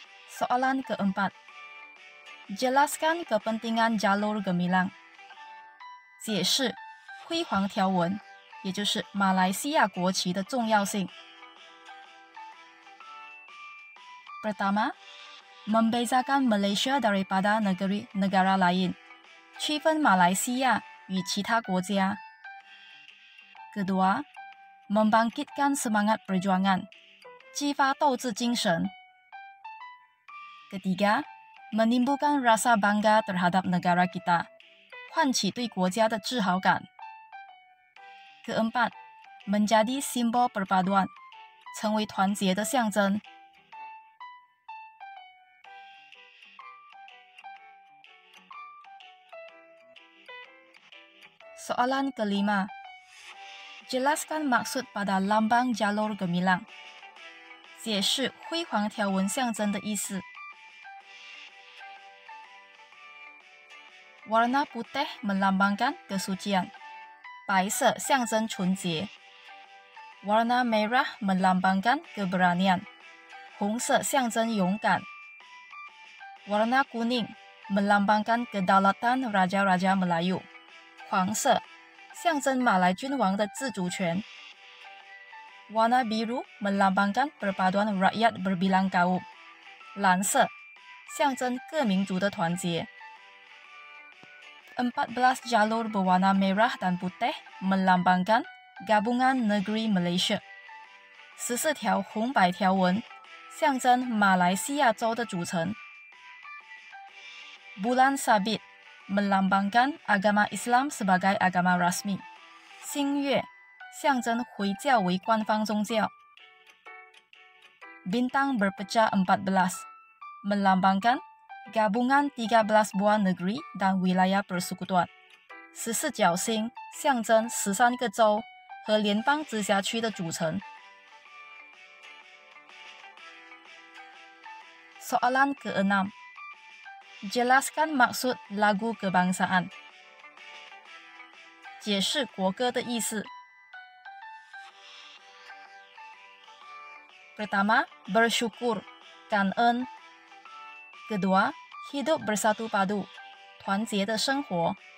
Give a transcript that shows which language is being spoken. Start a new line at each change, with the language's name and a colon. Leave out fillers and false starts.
Malay: Soalan keempat， Jelaskan kepentingan jalur gemilang.
Chinese: 解释辉煌条纹，也就是马来西亚国旗的重要性。
Malay: Pertama, membezakan Malaysia daripada negara lain,
Chinese: 区分马来西亚与其他国家。
Malay: Kedua, membangkitkan semangat perjuangan,
Chinese: 激发斗志精神。
Malay: Ketiga, menimbulkan rasa bangga terhadap negara kita,
Chinese: 唤起对国家的自豪感。
Malay: Keempat, menjadi simbol perpaduan,
Chinese: 成为团结的象征。
Malay: Soalan kelima, jelaskan maksud pada lambang jalur gemilang.
Chinese: 解释辉煌条纹象征的意思。
Malay: Warna putih melambangkan kesucian,
Chinese: 白色象征纯洁。
Malay: Warna merah melambangkan keberanian,
Chinese: 红色象征勇敢。
Malay: Warna kuning melambangkan kedaulatan raja-raja Melayu,
Chinese: 黄色象征马来君王的自主权。
Malay: Warna biru melambangkan perpaduan rakyat berbilang kaum,
Chinese: 蓝色象征各民族的团结。
Malay: 14 jalur berwarna merah dan putih melambangkan gabungan negeri Malaysia.
Chinese: 14条红白条纹象征马来西亚州的组成。
Malay: Bulan sabit melambangkan agama Islam sebagai agama rasmi.
Chinese: 新月象征回教为官方宗教。
Malay: Bintang berpecah 14 melambangkan gabungan 13 buah negeri dan wilayah persekutuan.
Chinese: 14角星象征13个州和联邦直辖区的组成。
Malay: Soalan ke-6, jelaskan maksud lagu kebangsaan.
Chinese: 解释国歌的意思。
Malay: Pertama, bersyukur,
Chinese: 感恩。
Malay: Kedua,Hidup bersatu padu,
Chinese: 团结的生活。